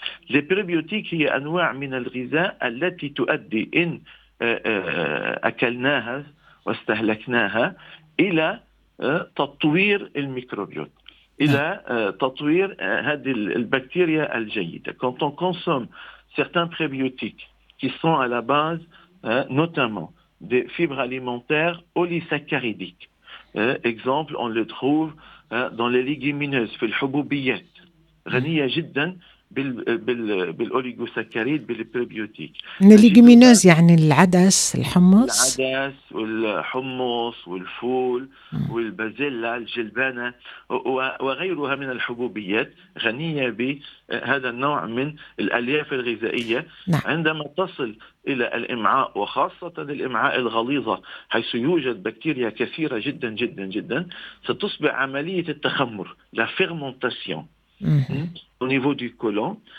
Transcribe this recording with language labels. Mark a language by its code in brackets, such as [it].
[ar] البريبيوتيك هي أنواع من الغذاء التي تؤدي إن أكلناها واستهلكناها إلى تطوير الميكروبيوت، إلى تطوير هذه البكتيريا الجيدة. [fr] Quand on consomme certains prébiotiques qui sont à la base notamment des fibres alimentaires polysaccharidiques. Exemple, on le trouve dans les légumineuses, [ar] في الحبوبيات غنية جدا بالأوليغوساكاريد بالبريبيوتيك. الليجيمينوز يعني العدس، الحمص، العدس والحمص والفول والبازيلا الجلبانة وغيرها من الحبوبيات غنية بهذا النوع من الألياف الغذائية. عندما تصل إلى الإمعاء وخاصة الإمعاء الغليظة حيث يوجد بكتيريا كثيرة جدا جدا جدا، ستصبح عملية التخمر لا فيرمونتاسيون [fr] au niveau du côlon.